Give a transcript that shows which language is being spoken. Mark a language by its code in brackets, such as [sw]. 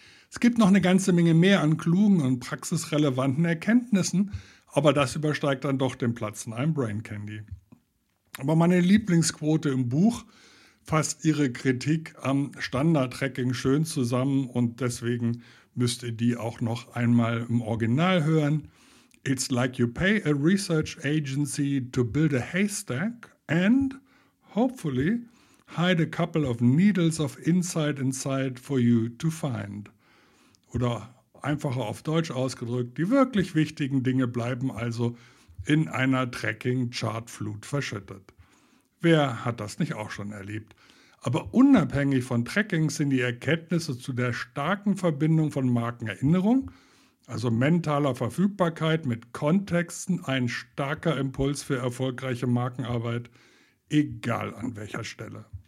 [de] Es gibt noch eine ganze Menge mehr an klugen und praxisrelevanten Erkenntnissen, aber das übersteigt dann doch den Platz in einem Brain Candy. Aber meine Lieblingsquote im Buch fasst ihre Kritik am Standard-Tracking schön zusammen und deswegen müsst ihr die auch noch einmal im Original hören. [en] It's like you pay a research agency to build a haystack and hopefully hide a couple of needles of insight inside for you to find. [de] Oder einfacher auf Deutsch ausgedrückt, die wirklich wichtigen Dinge bleiben also in einer Tracking-Chartflut verschüttet. Wer hat das nicht auch schon erlebt? Aber unabhängig von Tracking sind die Erkenntnisse zu der starken Verbindung von Markenerinnerung, also mentaler Verfügbarkeit mit Kontexten, ein starker Impuls für erfolgreiche Markenarbeit, egal an welcher Stelle.